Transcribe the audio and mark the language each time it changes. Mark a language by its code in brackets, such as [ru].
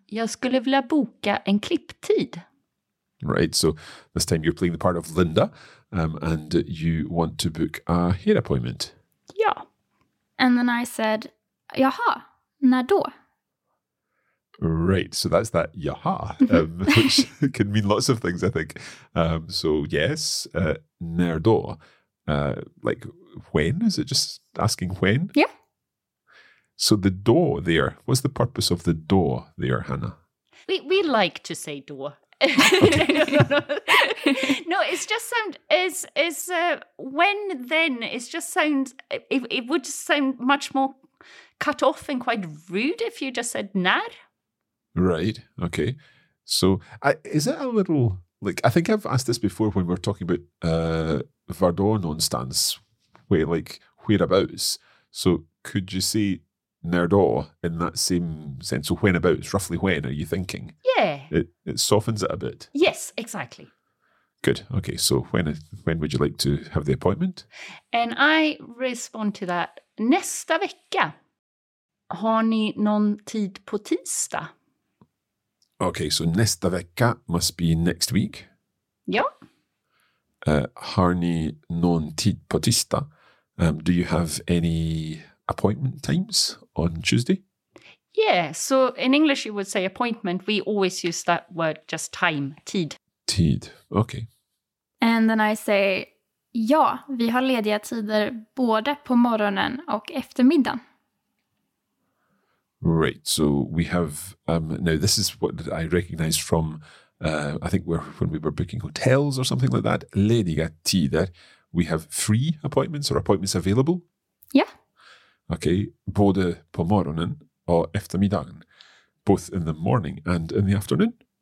[sv] Jag skulle vilja boka en klipptid. [en] Right, so this time you're playing the part of Linda and you want to book a hair appointment. [sv] Ja. [en] And then I said, [sv] jaha, när då? [en] Right, so that's that jaha, which can mean lots of things, I think. So yes, [sv] när då. [en] Like when? Is it just asking when? Yeah. So the do there, what's the purpose of the do there, Hannah? We like to say do. Okay. No, it's just sound, when, then, it's just sound, it would sound much more cut off and quite rude if you just said när. Right, okay. So is it a little, like, I think I've asked this before when we're talking about [sv] var då någonstans, [en] where, like, whereabouts. So could you say [sv] när då [en] in that same sense? So when about, roughly when are you thinking? Yeah. It softens it a bit. Yes, exactly. Good. Okay, so when would you like to have the appointment? And I respond to that, [sv] nästa vecka. Har ni någon tid på tisdag? [en] Okay, so nästa vecka must be next week. [sv] Ja. Har ni någon tid på tisdag? [en] Do you have any appointment times on Tuesday? Yeah, so in English you would say appointment. We always use that word, just time, tid. Tid, okay. And then I say, [sv] ja, vi har lediga tider både på morgonen och eftermiddagen. [en] Right, so we have, now this is what I recognize from, I think when we were booking hotels or something like that, [sv] lediga tider, [en] we have free appointments or appointments available. Yeah. Okay, [sv] både på morgonen och eftermiddagen, [en] both in the morning and in the afternoon?